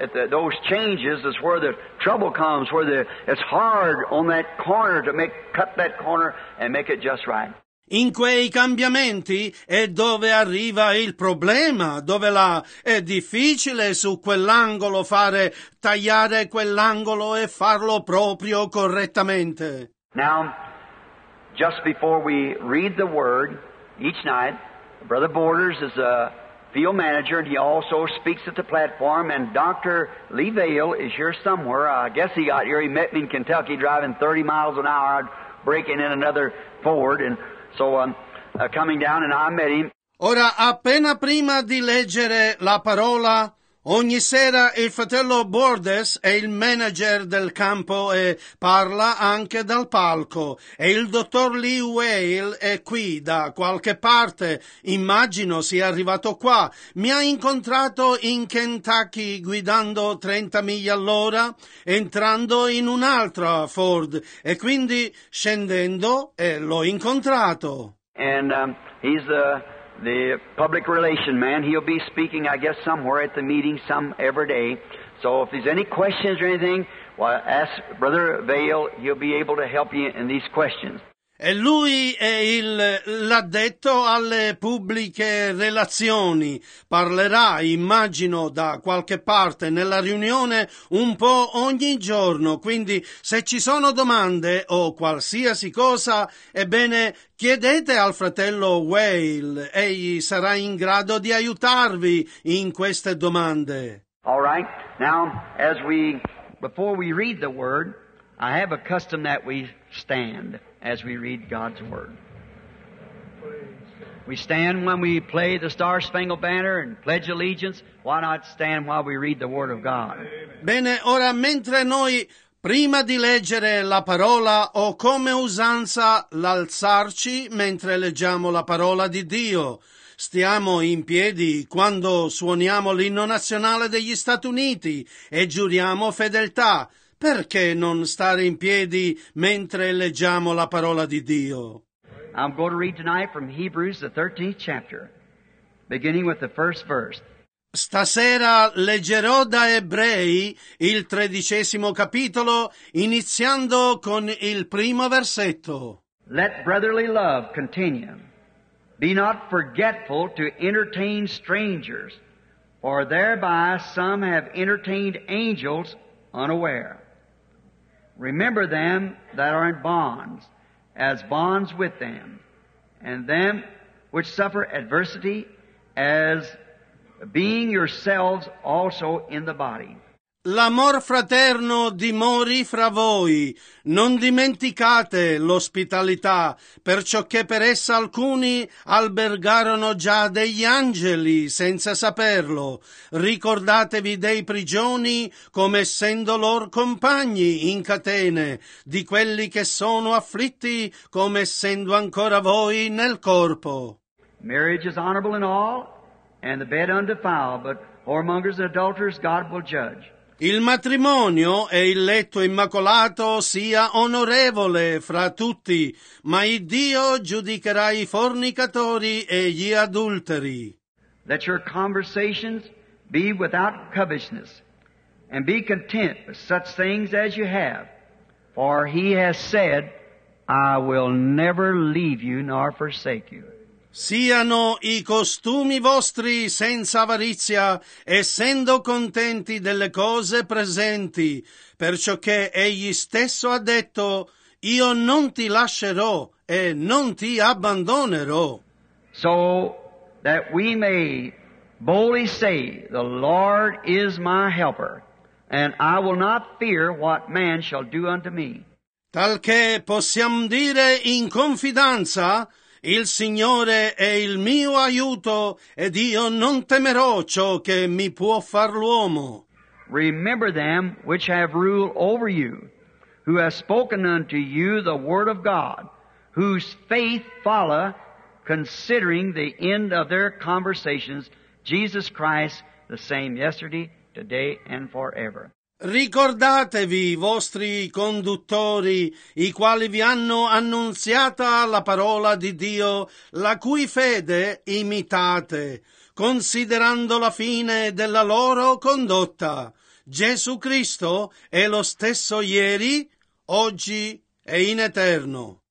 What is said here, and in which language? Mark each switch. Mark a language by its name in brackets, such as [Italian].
[English] Those changes is where the trouble comes, where it's hard on that corner to cut that corner and make it just right. [Italian] In quei cambiamenti è dove arriva il problema, dove là è difficile su quell'angolo fare, tagliare quell'angolo e farlo proprio correttamente. [English] Now, just before we read the word, each night, Brother Borders is a field manager and he also speaks at the platform, and Dr. Lee Vail is here somewhere. I guess he got here, he met me in Kentucky driving 30 miles an hour, breaking in another Ford and... coming down and I met him. [Italian] Ora, appena prima di leggere la parola, ogni sera il fratello Bordes è il manager del campo e parla anche dal palco. E il dottor Lee Whale è qui da qualche parte. Immagino sia arrivato qua. Mi ha incontrato in Kentucky guidando 30 miglia all'ora, entrando in un'altra Ford e quindi scendendo e l'ho incontrato. [English] And he's the public relation man. He'll be speaking, I guess, somewhere at the meeting some every day. So if there's any questions or anything, well, ask Brother Vail. He'll be able to help you in these questions. [Italian] E lui è l'addetto alle pubbliche relazioni. Parlerà, immagino, da qualche parte nella riunione un po' ogni giorno. Quindi, se ci sono domande o qualsiasi cosa, ebbene, chiedete al fratello Whale. Egli sarà in grado di aiutarvi in queste domande. [English] All right. Now, before we read the word, I have a custom that we stand as we read God's Word. We stand when we play the Star-Spangled Banner and pledge allegiance. Why not stand while we read the Word of God? [Italian] Bene, ora mentre noi Prima di leggere la parola ho come usanza l'alzarci mentre leggiamo la parola di Dio. Stiamo in piedi quando suoniamo l'inno nazionale degli Stati Uniti e giuriamo fedeltà. Perché non stare in piedi mentre leggiamo la parola di Dio? [English] I'm going to read tonight from Hebrews, the 13th chapter, beginning with the first verse. [Italian] Stasera leggerò da Ebrei il 13° capitolo, iniziando con il primo versetto. [English] Let brotherly love continue. Be not forgetful to entertain strangers, for thereby some have entertained angels unaware. Remember them that are in bonds, as bonds with them, and them which suffer adversity, as being yourselves also in the body. [Italian] L'amor fraterno dimori fra voi. Non dimenticate l'ospitalità, perciò che per essa alcuni albergarono già degli angeli senza saperlo. Ricordatevi dei prigioni come essendo lor compagni in catene, di quelli che sono afflitti come essendo ancora voi nel corpo. [English] Marriage is honorable in all, and the bed undefiled, but whoremongers and adulterers God will judge. [Italian] Il matrimonio e il letto immacolato sia onorevole fra tutti, ma il Dio giudicherà i fornicatori e gli adulteri. [English] Let your conversations be without covetousness, and be content with such things as you have, for he has said, I will never leave you nor forsake you. [Italian] Siano i costumi vostri senza avarizia, essendo contenti delle cose presenti, perciò che egli stesso ha detto, io non ti lascerò e non ti abbandonerò. [English] So that we may boldly say, the Lord is my helper, and I will not fear what man shall do unto me. [Italian] Talché possiamo dire in confidenza, il Signore è il mio aiuto, ed io non temerò ciò che mi può far l'uomo. [English] Remember them which have rule over you, who have spoken unto you the word of God, whose faith follow, considering the end of their conversations, Jesus Christ, the same yesterday, today, and forever. [Italian] Ricordatevi i vostri conduttori, i quali vi hanno annunziata la parola di Dio, la cui fede imitate, considerando la fine della loro condotta. Gesù Cristo è lo stesso ieri, oggi e in eterno.